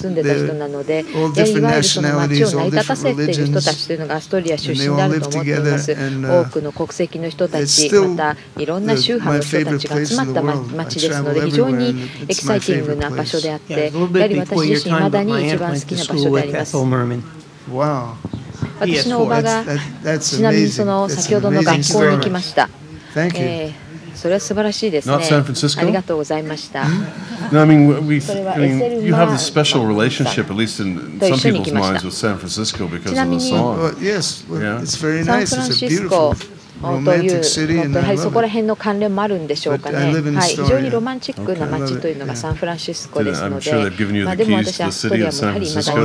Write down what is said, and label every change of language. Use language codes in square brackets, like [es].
[en] And, all different nationalities, all different religions, and they all live together. And it's still my favorite place in the world. I travel everywhere, and it's my favorite place. Yeah, a little bit before your time, but my aunt went to school with Ethel Merman. Wow. [ja] 私のおばがちなみにその先ほどの学校に来ました。それは素晴らしいですね。ありがとうございました。 [en] No, I mean, you have a special relationship, at least in some people's minds, with San Francisco because of the song. Yes, it's very nice. It's a beautiful, romantic city, and I love it. [ja] そこら辺の関連もあるんでしょうかね。 [en] I live in Astoria. [ja] 非常にロマンチックな街というのがサンフランシスコですので。 [en] I'm sure they've given you the keys to the city of San Francisco.